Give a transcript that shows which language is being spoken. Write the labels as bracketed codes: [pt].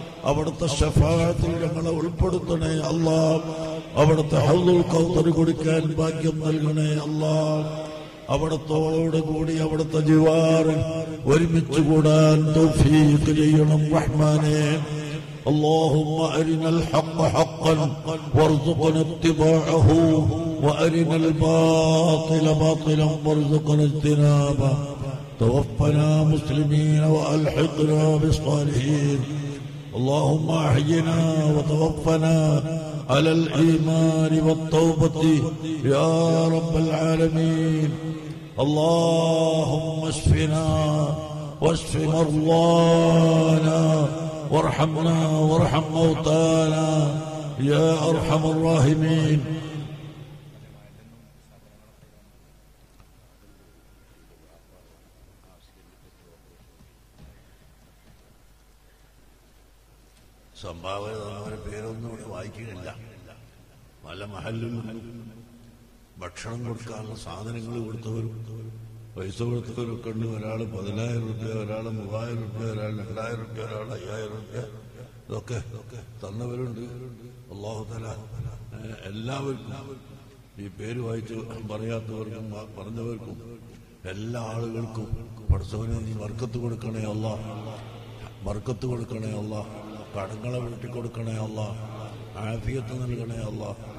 [ml] അവിടുത്തെ ഷഫാഅത്തിൽ ഞങ്ങളെ ഉൾപ്പെടുത്തണേ അല്ലാ. അവിടുത്തെ ഹൗദുൽ കൗതർ കുടിക്കാൻ ഭാഗ്യം നൽകണേ അല്ലാ. അവിടത്തോടുകൂടി അവിടുത്തെ ജിവാറിൽ ഒരുമിച്ച് കൂടാൻ തൗഫീഖ് ചെയ്യണം റഹ്മാനെ. [ar] اللهم أرنا الحق حقا وارزقنا اتباعه وأرنا الباطل باطلا وارزقنا اجتنابه توفنا مسلمين وألحقنا بالصالحين اللهم أحينا وتوفنا على الإيمان والتوبة يا رب العالمين اللهم اشفنا واشف مرضانا وارحمنا وارحم موتانا يا ارحم الراحمين [ml] സംഭാവന തന്നവരെ പേരൊന്നും ഇവിടെ വായിക്കുന്നില്ല. പല മഹല്ലും ഭക്ഷണം കൊടുക്കാനുള്ള സാധനങ്ങൾ കൊടുത്തവരും പൈസ കൊടുത്തവരും കണ്ടു. ഒരാള് 10,000 രൂപ, ഒരാള് 3,000 രൂപ, ഒരാൾ 2,000 രൂപ, ഒരാൾ 5,000 രൂപ, ഇതൊക്കെ തന്നവരുണ്ട്. അല്ലാഹു തആല എല്ലാവർക്കും ഈ പേര് വായിച്ച് പറയാത്തവർക്കും പറഞ്ഞവർക്കും എല്ലാ ആളുകൾക്കും പഠിച്ചവനെ നീ വർക്കത്ത് കൊടുക്കണേ അല്ലാ, വർക്കത്ത് കൊടുക്കണേ അല്ലാ, കടങ്ങളെ വീട്ടി കൊടുക്കണേ അല്ലാ, ആഫിയത്ത് നൽകണേ അല്ലാ.